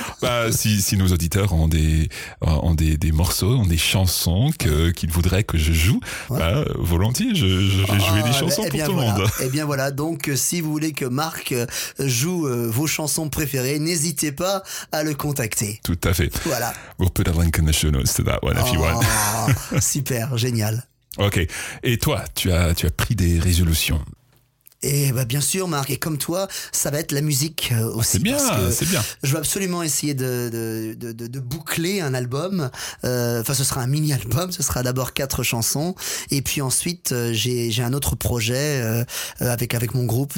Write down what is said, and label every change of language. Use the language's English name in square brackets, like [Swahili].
[French] Bah si nos auditeurs ont des morceaux, ont des chansons qu'ils voudraient que je joue, ouais. Bah volontiers, je vais jouer des chansons pour tout le monde. Et bien voilà, donc si vous voulez que Marc joue vos chansons préférées, n'hésitez pas à le contacter. Tout à fait. Voilà. [English] We'll put a link in the show notes to that one if you want. [French] Super, génial. Ok, et toi, tu as pris des résolutions? Et bah bien sûr Marc, et comme toi, ça va être la musique aussi. C'est bien, parce que c'est bien. Je vais absolument essayer de boucler un album. Enfin, ce sera un mini-album, ce sera d'abord 4 chansons. Et puis ensuite, j'ai un autre projet avec mon groupe.